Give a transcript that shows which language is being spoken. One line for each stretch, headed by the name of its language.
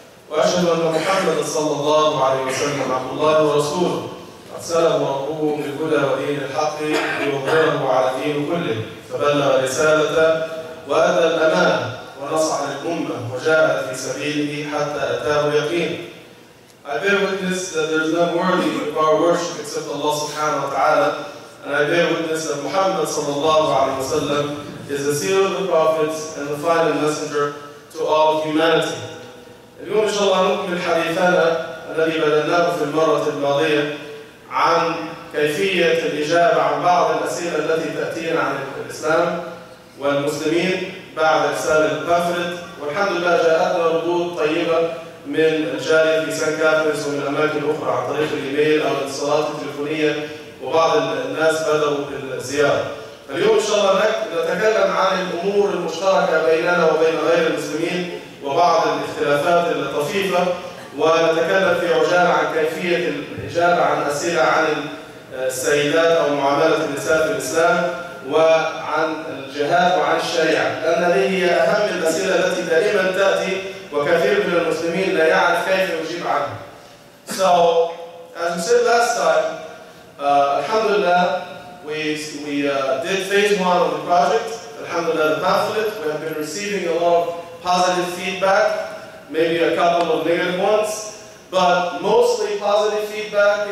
Arabic: واشهد ان محمدا صلى الله عليه وسلم عبد الله ورسوله ارسله ربه بالهدى ودين الحق ليظهره على الدين كله، فبلغ الرساله وادى الامانه ونصح للأمة وجاهد في سبيله حتى أتاه يقين.
English: I bear witness that there is no worthy of our worship except Allah سبحانه وتعالى. And I bear witness that Muhammad صلى الله عليه وسلم is the seal of the prophets and the final messenger to all humanity.
Arabic: اليوم إن شاء الله نكمل حديثنا الذي بدأناه في المرة الماضية عن كيفية الإجابة عن بعض الأسئلة التي تأتينا عن الإسلام والمسلمين بعد إرسال البافلت، والحمد لله جاءتنا ردود طيبة من الجالية في سان كاترينز ومن أماكن أخرى عن طريق الإيميل أو الاتصالات التليفونية، وبعض الناس بدأوا الزيارة. اليوم إن شاء الله نتكلم عن الأمور المشتركة بيننا وبين غير المسلمين وبعض الاختلافات الطفيفة، ونتكلم في عجالة عن كيفية الإجابة عن أسئلة عن السيدات أو معاملة النساء في الإسلام وعن الجهاد وعن الشريعة، لأن هذه هي أهم الأسئلة التي دائما تأتي وكثير من المسلمين لا يعرف كيف يجيب عنها.
English: So as we said last time,
Arabic: الحمد لله
English: we did phase one of the project.
Arabic: الحمد لله
English: the pamphlet. We have been receiving a lot of positive feedback, maybe a couple of negative ones, but mostly positive feedback.